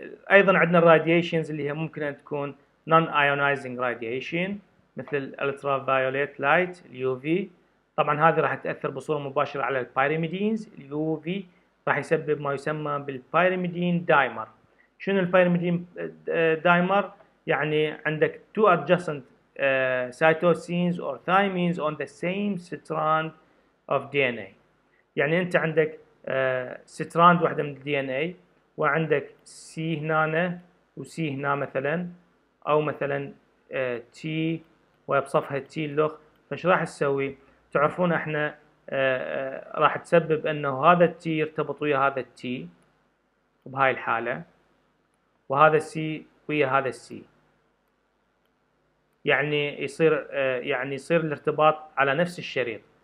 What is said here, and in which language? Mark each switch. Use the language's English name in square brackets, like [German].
[Arabic] أيضا عندنا radiations اللي هي ممكن أن تكون [English] non-ionizing radiation [Arabic] مثل [English] ultraviolet light [Arabic] UV. طبعا هذه راح تأثر بصورة مباشرة على pyrimidines. UV راح يسبب ما يسمى بالpyrimidine dimer. شنو [English] pyrimidine dimer؟ [Arabic] يعني عندك [English] two adjacent cytosines or thymines on the same strand of DNA. [Arabic] يعني انت عندك strand واحدة من DNA وعندك C هنا و C هنا مثلا، او مثلا T وبصفها T اللخ. فش راح تسوي؟ تعرفون احنا راح تسبب انه هذا T يرتبط ويا هذا T بهاي الحالة، وهذا C ويا هذا C، يعني يصير الارتباط على نفس الشريط.